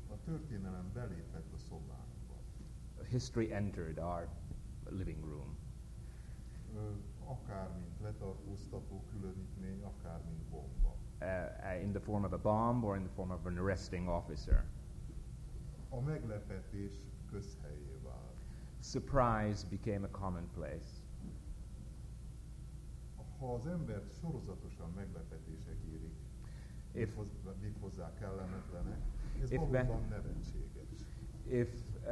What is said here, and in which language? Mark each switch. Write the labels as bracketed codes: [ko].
[hu] A történelem belépett a szobánkba. [en] History entered our living room. [hu] Akár mint letartóztató különítmény, akár mint bomba. [en] In the form of a bomb or in the form of an arresting officer. [hu] A meglepetés közhelyé vált. [en] Surprise became a commonplace. [hu] Ha az embert sorozatosan meglepetések érik, mit hozzá kellemetlenek, ez valóban nevetséges.